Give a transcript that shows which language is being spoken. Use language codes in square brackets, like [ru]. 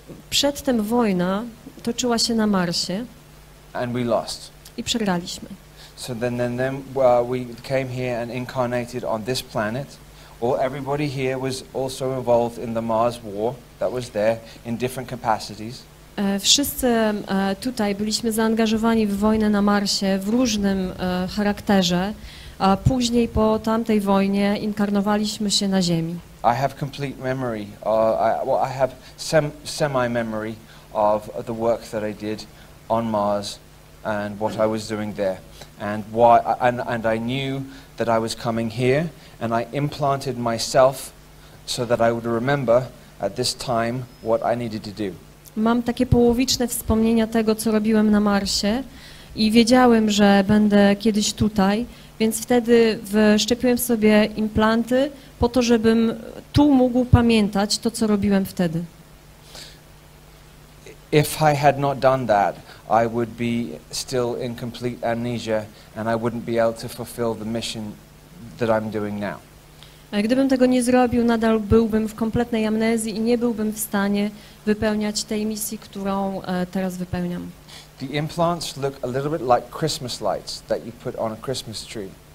[pl] Przedtem wojna toczyła się na Marsie. [en] And we lost. [pl] I przegraliśmy. [en] So then we came here and incarnated on this planet. All everybody here was also involved in the Mars war that was there in different capacities. [pl] Wszyscy tutaj byliśmy zaangażowani w wojnę na Marsie w różnym charakterze. A później po tamtej wojnie inkarnowaliśmy się na Ziemi. [en] I have complete memory, I have semi-memory of the work that I did on Mars and what I was doing there. And why and I knew that I was coming here, and I implanted myself so that I would remember at this time what I needed to do. [pl] Mam takie połowiczne wspomnienia tego, co robiłem na Marsie i wiedziałem, że będę kiedyś tutaj. Więc wtedy wszczepiłem sobie implanty po to, żebym tu mógł pamiętać to, co robiłem wtedy. [en] If I had not done that, I would be still in complete amnesia and I wouldn't be able to fulfill the mission that I'm doing now. [pl] Gdybym tego nie zrobił, nadal byłbym w kompletnej amnezji i nie byłbym w stanie wypełniać tej misji, którą teraz wypełniam. [en] The implants look a little bit like Christmas lights that you put on a Christmas tree.